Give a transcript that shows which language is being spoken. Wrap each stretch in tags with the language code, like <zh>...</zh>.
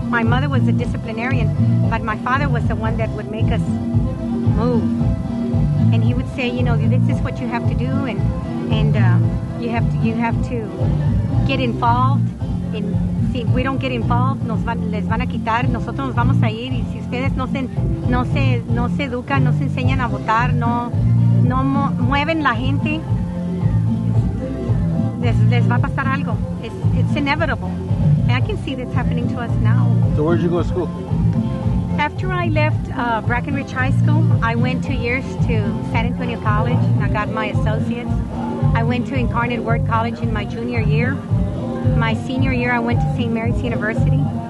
<en>My mother was a disciplinarian, but my father was the one that would make us move. And he would say, you know, this is what you have to do, and you have to get involved. And see, we don't get involved,</en> <es>les van a quitar. Nosotros nos vamos a ir. Y si ustedes no se educan, no se enseñan a votar, no mueven la gente, les va a pasar algo.</es> <en>It's inevitable. I can see that's happening to us now. So where did you go to school? After I left Brackenridge High School, I went 2 years to San Antonio College, and I got my associates. I went to Incarnate Word College in my junior year. My senior year, I went to St. Mary's University.</en>